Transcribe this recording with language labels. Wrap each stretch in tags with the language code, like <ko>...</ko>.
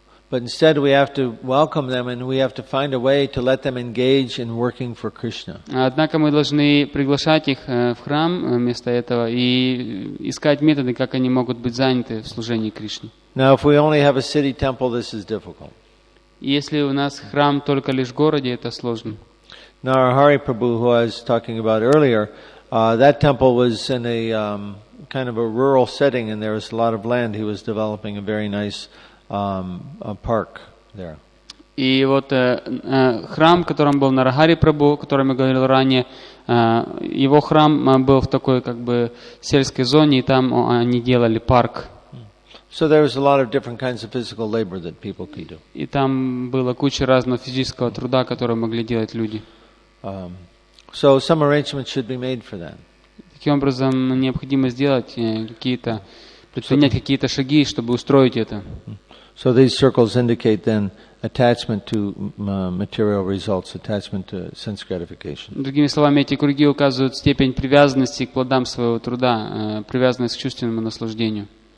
<en>But instead we have to welcome them and we have to find a way to let them engage in working for Krishna.</en> <ru>Однако мы должны приглашать их в храм вместо этого и искать методы, как они могут быть заняты в служении Кришне.</ru> <en>Now if we only have a city temple, this is difficult.</en> <ru>Если у нас храм только лишь в городе, это сложно.</ru> <en>Narahari Prabhu, who I was talking about earlier, that temple was in a kind of a rural setting and there was a lot of land. He was developing a very nice a park there.</en> <ru>И вот храм, в котором был Нарахари Прабху, о котором я говорил ранее, его храм был в такой как бы сельской зоне, и там они делали парк.</ru> <en>So there was a lot of different kinds of physical labor that people could do.</en> <ru>И там было куча разного физического труда, который могли делать люди.</ru> <en>So some arrangements should be made for that.</en> <ru>Таким образом, необходимо сделать какие-то предпринять какие-то шаги, чтобы устроить это.</ru> <en>So these circles indicate then attachment to material results, attachment to sense gratification.</en> <ru>Другими словами, эти круги указывают степень привязанности к плодам своего труда, привязанность к чувственному наслаждению.</ru>